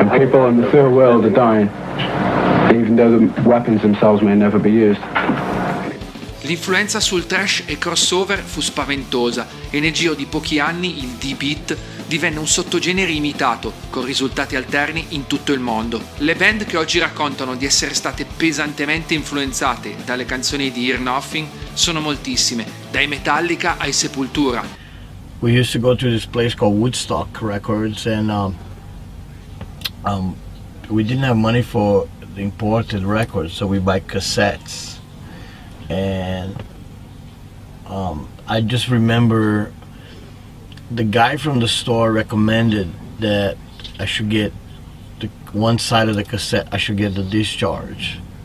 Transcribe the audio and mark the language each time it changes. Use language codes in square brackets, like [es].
[en] and people in the third world are dying, even though the weapons themselves may never be used. [it] L'influenza sul trash e crossover fu spaventosa e nel giro di pochi anni il D-Beat divenne un sottogenere imitato, con risultati alterni in tutto il mondo. Le band che oggi raccontano di essere state pesantemente influenzate dalle canzoni di Hear Nothing sono moltissime, dai Metallica ai Sepultura. [en] We used to go to this place called Woodstock Records and we didn't have money for the imported records, so we buy cassettes. And I just remember the guy from the store recommended that I should get the one side of the cassette, I should get the Discharge.